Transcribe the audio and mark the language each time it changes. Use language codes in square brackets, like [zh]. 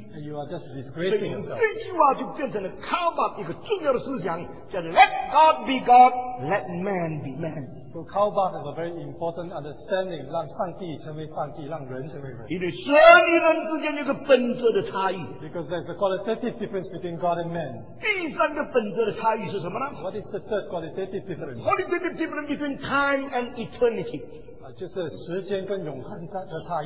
[en] And you are just disgracing yourself. [zh] 这句话就变成了卡巴一个重要的思想，叫做 [en] "Let God be God, let man be man." So Kalbach has a very important understanding, [zh] 让上帝成为上帝, 让人成为人。因为神与人之间有个本质的差异。 [en] Because there's a qualitative difference between God and man. [zh] 第三个本质的差异是什么呢? [en] What is the third qualitative difference? The qualitative difference between time and eternity. [zh] 就是时间跟永恒的差异。